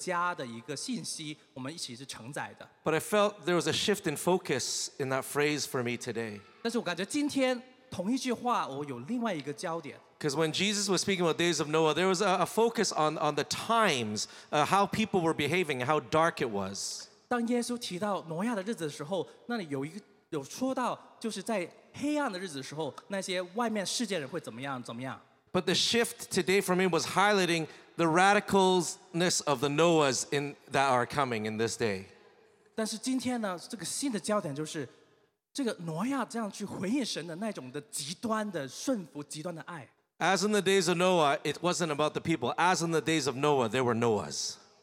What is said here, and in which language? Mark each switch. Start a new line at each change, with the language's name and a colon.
Chinese: 在西安一段时间的弟兄姐妹都知道，这有一个是我们这个家的一个信息，我们一起是承载的。
English: But I felt there was a shift in focus in that phrase for me today.
Chinese: 但是我感觉今天同一句话，我有另外一个焦点。
English: Because when Jesus was speaking about days of Noah, there was a focus on the times, how people were behaving, how dark it was.
Chinese: 当耶稣提到挪亚的日子的时候，那里有一个有说到，就是在黑暗的日子的时候，那些外面世界人会怎么样怎么样。
English: But the shift today for me was highlighting the radicalness of the Noahs in that are coming in this day.
Chinese: 但是今天呢，这个新的焦点就是，这个挪亚这样去回应神的那种的极端的顺服、极端的爱。
English: As in the days of Noah, it wasn't about the people. As in the days of Noah, there were Noahs.